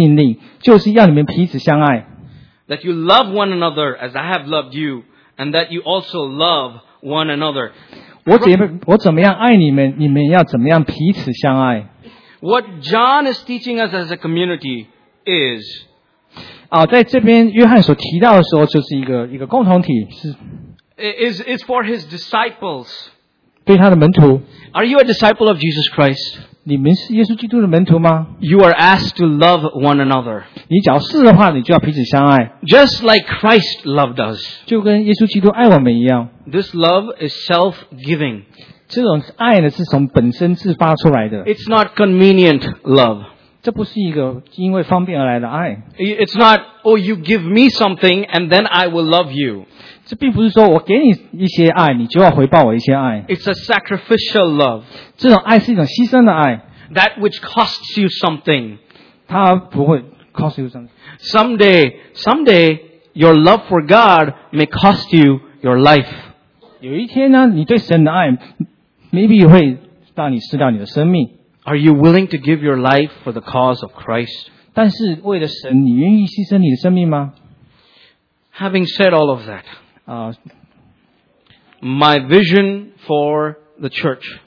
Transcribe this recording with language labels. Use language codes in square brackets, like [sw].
[zh] 在约翰福音13章34节有提到说，我给你们一条新命令，就是要你们彼此相爱。 [en] That you love one another as I have loved you. And that you also love one another. [zh] 我怎么样爱你们，你们要怎么样彼此相爱。 [en] What John is teaching us as a community is. [zh] 在这边约翰所提到的时候，就是一个共同体是。 [en] Is for his disciples. [zh] 对他的门徒。 [en] Are you a disciple of Jesus Christ? [zh] 你们是耶稣基督的门徒吗？ [en] You are asked to love one another. [zh] 你假如是的话，你就要彼此相爱。 [en] Just like Christ loved us. [zh] 就跟耶稣基督爱我们一样。 [en] This love is self-giving. [zh] 这种爱呢，是从本身自发出来的。 [en] It's not convenient love. [zh] 这不是一个因为方便而来的爱。 [en] It's not, oh, you give me something and then I will love you. [zh] 这并不是说我给你一些爱，你就要回报我一些爱。 [en] It's a sacrificial love. [zh] 这种爱是一种牺牲的爱。 [en] That which costs you something. [zh] 它不会 [en] cost you something. Someday, your love for God may cost you your life. [zh] 有一天呢，你对神的爱 maybe 会让你失掉你的生命。 [en] Are you willing to give your life for the cause of Christ? [zh] 但是为了神，你愿意牺牲你的生命吗？ [en] Having said all of that, my vision for the church.